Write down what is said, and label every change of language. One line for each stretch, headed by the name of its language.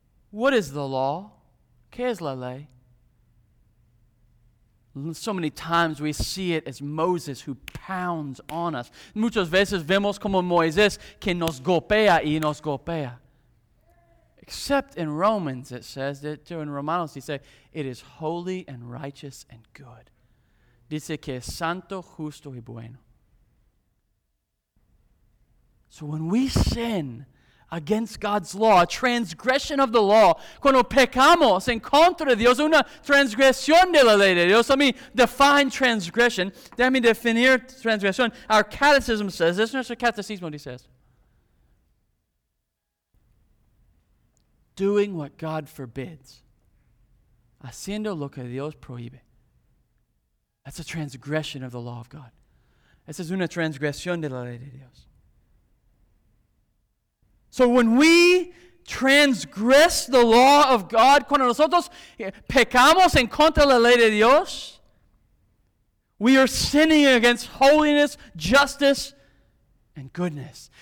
English: What is the law?
Spanish: ¿Qué es la ley?
English: So many times we see it as Moses who pounds on us.
Spanish: Muchas veces vemos como Moisés que nos golpea y nos golpea.
English: Except in Romans it says, in Romanos he says, it is holy and righteous and good.
Spanish: Dice que es santo, justo y bueno.
English: So when we sin against God's law, a transgression of the law,
Spanish: cuando pecamos en contra de Dios,
English: una transgresión de la ley de Dios, let me define transgression.
Spanish: Déjame definir transgresión.
English: Our catechism says, this is
Spanish: nuestro catecismo,
English: he says, doing what God forbids,
Spanish: haciendo lo que Dios prohíbe.
English: That's a transgression of the law of God.
Spanish: Esa es una transgresión de la ley de Dios.
English: So when we transgress the law of God,
Spanish: cuando nosotros pecamos en contra de la ley de Dios,
English: we are sinning against holiness, justice, and goodness.